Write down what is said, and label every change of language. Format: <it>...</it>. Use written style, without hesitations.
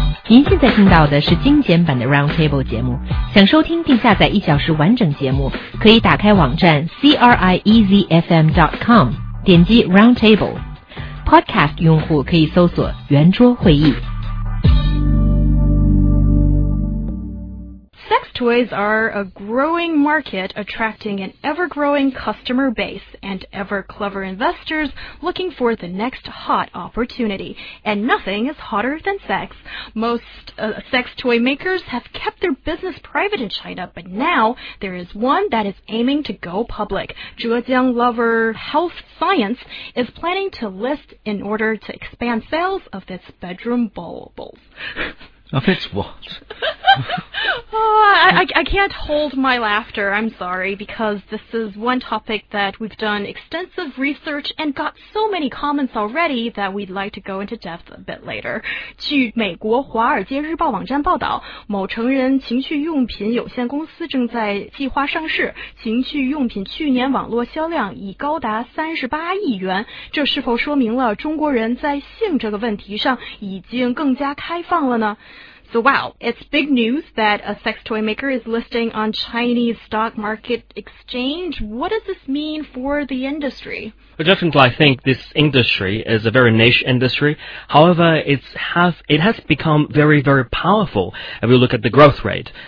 <zh>您现在听到的是精简版的 Roundtable 节目，想收听并下载一小时完整节目，可以打开网站 CRIEZFM.com， 点击 Roundtable。 Podcast 用户可以搜索圆桌会议。</zh> <en>Sex toys are a growing market, attracting an ever-growing customer base and ever-clever investors looking for the next hot opportunity. And nothing is hotter than sex. Most sex toy makers have kept their business private in China, but now there is one that is aiming to go public. Zhejiang Lover Health Science is planning to list in order to expand sales of its bedroom bulbs. Of its what? I can't hold my laughter, I'm sorry, because this is one topic that we've done extensive research and got so many comments already that we'd like to go into depth a bit later.</en> <zh>据美国华尔街日报网站报道，某成人情趣用品有限公司正在计划上市，情趣用品去年网络销量已高达38亿元，这是否说明了中国人在性这个问题上已经更加开放了呢？</zh> <en>So wow, it's big news that a sex toy maker is listing on Chinese stock market exchange. What does this mean for the industry? Well, definitely, I think this industry is a very niche industry. However, it has become very, very powerful if you look at the growth rate.</en>